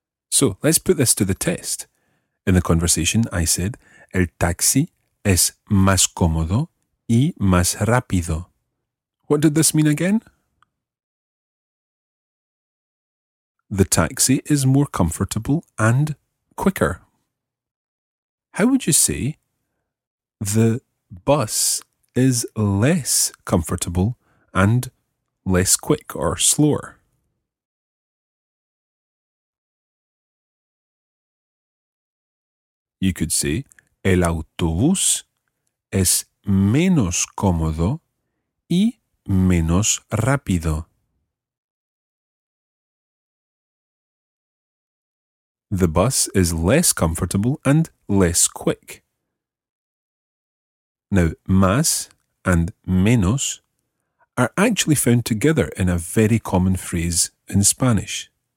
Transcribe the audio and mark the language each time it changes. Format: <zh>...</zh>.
<en>So, let's put this to the test. In the conversation, I said,</en> <es>el taxi es más cómodo y más rápido.</es> <en>What did this mean again? The taxi is more comfortable and quicker. How would you say the bus is less comfortable and less quick or slower? You could say</en> <es>el autobús es menos cómodo y menos rápido.</es> <en>The bus is less comfortable and less quick. Now, más and menos are actually found together in a very common phrase in Spanish.</en>